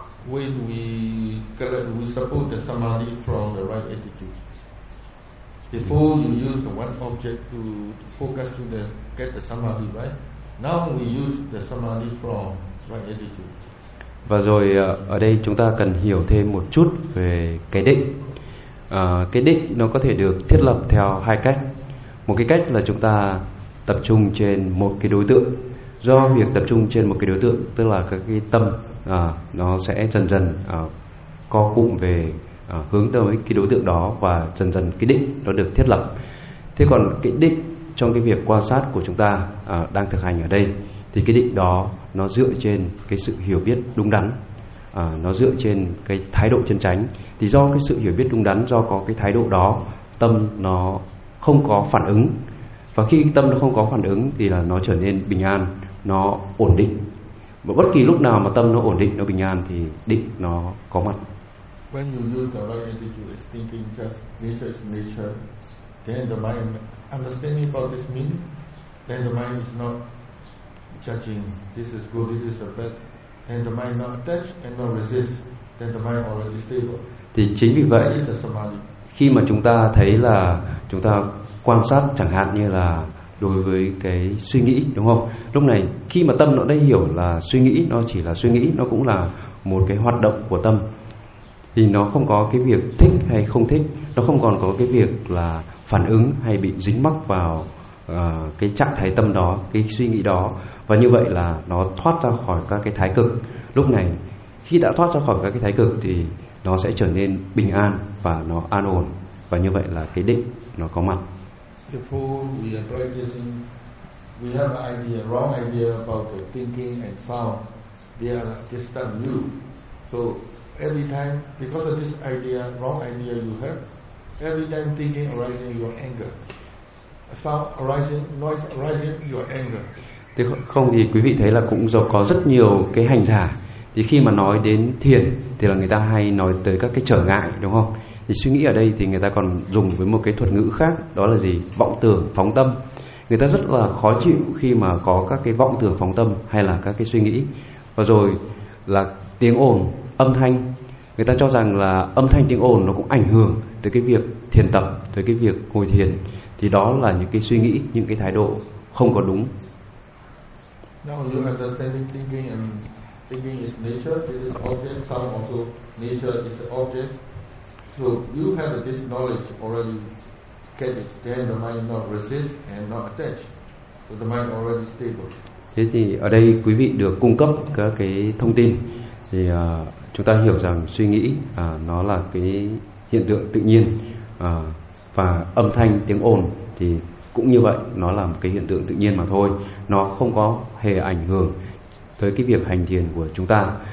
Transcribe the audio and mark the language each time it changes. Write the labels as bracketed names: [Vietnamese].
[English] When we collect, we support the samadhi from the right attitude. Before you use the one object to focus to the get the samadhi, right? Now we use the samadhi from right attitude. [Vietnamese] Và rồi ở đây chúng ta cần hiểu thêm một chút về cái định. Cái định nó có thể được thiết lập theo hai cách. Một cái cách là chúng ta tập trung trên một cái đối tượng. Do việc tập trung trên một cái đối tượng, tức là các cái tâm nó sẽ dần dần co cụm về hướng tới cái đối tượng đó, và dần dần cái định nó được thiết lập. Thế còn cái định trong cái việc quan sát của chúng ta đang thực hành ở đây, thì cái định đó nó dựa trên cái sự hiểu biết đúng đắn, nó dựa trên cái thái độ chân chánh. Thì do cái sự hiểu biết đúng đắn, do có cái thái độ đó, tâm nó không có phản ứng. Và khi tâm nó không có phản ứng thì là nó trở nên bình an, nó ổn định. Và bất kỳ lúc nào mà tâm nó ổn định, nó bình an thì định nó có mặt. [English] When you use the right attitude, it's thinking just nature is nature, then the mind understanding about this mean, then the mind is not judging this is good, this is bad, then the mind not attached and not resist, then the mind already stable. [Vietnamese] Thì chính vì vậy khi mà chúng ta thấy là chúng ta quan sát chẳng hạn như là đối với cái suy nghĩ, đúng không? Lúc này khi mà tâm nó đã hiểu là suy nghĩ nó chỉ là suy nghĩ, nó cũng là một cái hoạt động của tâm, thì nó không có cái việc thích hay không thích, nó không còn có cái việc là phản ứng hay bị dính mắc vào cái trạng thái tâm đó, cái suy nghĩ đó. Và như vậy là nó thoát ra khỏi các cái thái cực. Lúc này khi đã thoát ra khỏi các cái thái cực thì nó sẽ trở nên bình an và nó an ổn, và như vậy là cái định nó có mặt. [English] Before we are practicing, we have an idea, wrong idea about the thinking and sound. They are disturb you. So every time, because of this idea, wrong idea you have, every time thinking arising, your anger. Sound arising, noise arising, your anger. [Vietnamese] Thế không thì quý vị thấy là cũng có rất nhiều cái hành giả. Thì khi mà nói đến thiền thì là người ta hay nói tới các cái trở ngại, đúng không? Thì suy nghĩ ở đây thì người ta còn dùng với một cái thuật ngữ khác, đó là gì? Vọng tưởng phóng tâm. Người ta rất là khó chịu khi mà có các cái vọng tưởng phóng tâm hay là các cái suy nghĩ. Và rồi là tiếng ồn, âm thanh. Người ta cho rằng là âm thanh tiếng ồn nó cũng ảnh hưởng tới cái việc thiền tập, tới cái việc ngồi thiền. Thì đó là những cái suy nghĩ, những cái thái độ không có đúng. [English] Now you understand thinking, and thinking is nature, it is object, sound also nature is object. So you have this knowledge already. Get this, then the mind not resist and not attach. So the mind already stable. [Vietnamese] Thế thì ở đây quý vị được cung cấp các cái thông tin thì chúng ta hiểu rằng suy nghĩ nó là cái hiện tượng tự nhiên và âm thanh tiếng ồn thì cũng như vậy, nó là một cái hiện tượng tự nhiên mà thôi, nó không có hề ảnh hưởng tới cái việc hành thiền của chúng ta.